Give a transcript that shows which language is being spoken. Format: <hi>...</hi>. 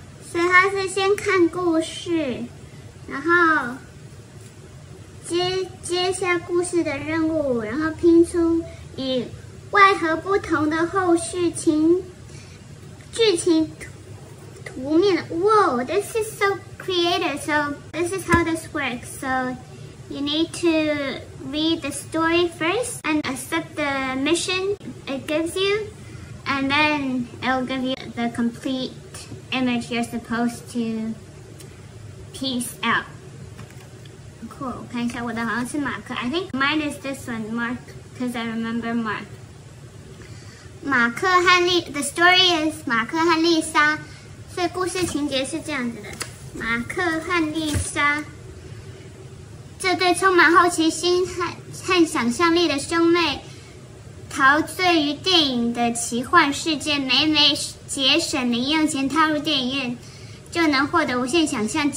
<zh>所以他是先看故事，然后接下故事的任务，然后拼出与外盒不同的后续剧情图面。</zh> <en>Whoa, this is so creative. So this is how this works. So you need to read the story first and accept the mission it gives you, and then it'll give you the complete image you're supposed to piece out. Cool.</en> <zh>看一下我的好像是马克。</zh> <en>I think mine is this one, Mark, because I remember Mark. 马克和丽 The story is 马克和丽莎。</en> <zh>所以故事情节是这样子的，马克和丽莎这对充满好奇心 和想象力的兄妹陶醉于电影的奇幻世界，每每节省零用钱踏入电影院就能获得无限想象。</zh>